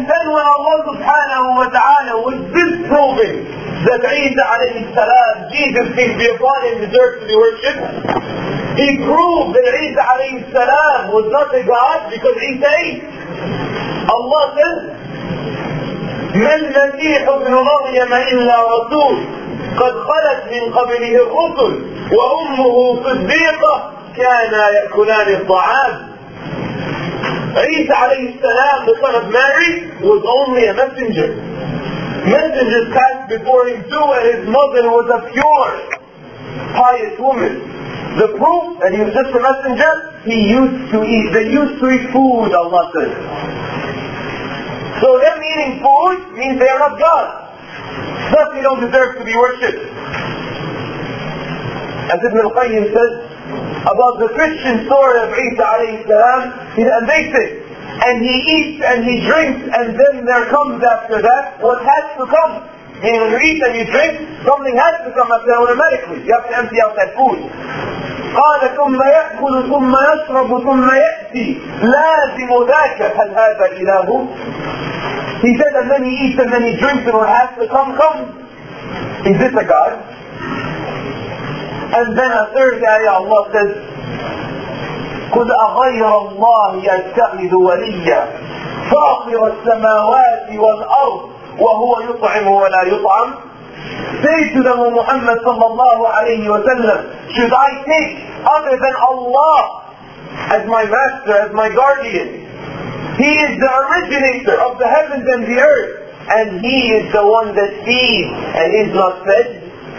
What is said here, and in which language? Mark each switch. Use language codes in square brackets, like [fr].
[ar] هو الله سبحانه وتعالى والزد صوبه [en] that Isa عليه السلام Jesus can be applied and deserve to be worshipped. He proved that Isa عليه السلام was not a god because he said, Allah says, [ar] مَنْ مَسِيحُ بْنُ مَرْيَمَ إِلَّا رَسُولٌ قَدْ خَلَتْ مِنْ قَبْلِهِ الرُّسُلُ وَأُمُّهُ صِدِّيقَةٌ كَانَا يَأْكُلَانِ الطَّعَامَ. [en] Isa عليه السلام, the son of Mary, was only a messenger. Messengers passed before him too, and his mother was a pure, pious woman. The proof that he was just a messenger, he used to eat. They used to eat food, Allah says. So them eating food means they are not God. Thus they don't deserve to be worshipped. As Ibn al-Qayyim says, about the Christian story of Isa alayhi salam, he's amazing. And he eats and he drinks, and then there comes after that what has to come. Meaning when you eat and you drink, something has to come after that automatically. You have to empty out that food. [ar] قَالَ ثُمَّ يَأْكُلُ ثُمَّ يَشْرَبُ ثُمَّ يَأْتِي لَازِمُ ذَاكَ هَلْ هَذَا إِلَهُ. [en] He said, and then he eats and then he drinks and what has to come, comes. Is this a god? And then a third ayah Allah says, [ar] قُلْ أَغَيْرَ اللَّهِ أَتَّخِذُ وَلِيًّا فَاطِرَ السَّمَاوَاتِ وَالْأَرْضِ وَهُوَ يُطْعِمُ وَلَا يُطْعَمُ. [en] Say to them, Muhammad sallallahu alayhi wa sallam, should I take other than Allah as my master, as my guardian? He is the originator of the heavens and the earth, and he is the one that feeds and is not fed.